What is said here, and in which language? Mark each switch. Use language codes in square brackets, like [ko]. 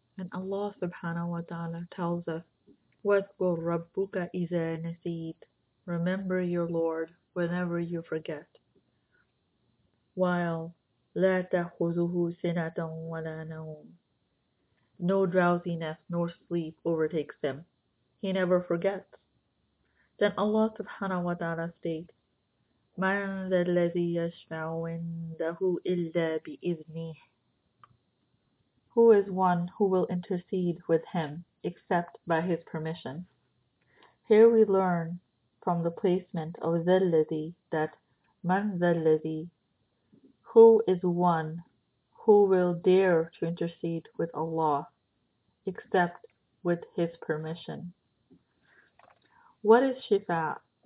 [en] And Allah subhanahu wa ta'ala tells us, [ar] وَاذْكُرْ رَبُّكَ إِذَا نَسِيتْ. [en] Remember your Lord whenever you forget. While [ar] لَا تَخُذُهُ سِنَةً وَلَا نَوْمٌ. [en] No drowsiness nor sleep overtakes him. He never forgets. Then Allah subhanahu wa ta'ala states, [ar] مَنْ ذَا الَّذِي يَشْفَعُ عِنْدَهُ إِلَّا بِإِذْنِهِ. [en] Who is one who will intercede with him except by his permission? Here we learn from the placement of [ar] ذَا الَّذِي [en] that [ar] مَنْ ذَا الَّذِي, [en] who is one who will dare to intercede with Allah except with his permission? What is shifa?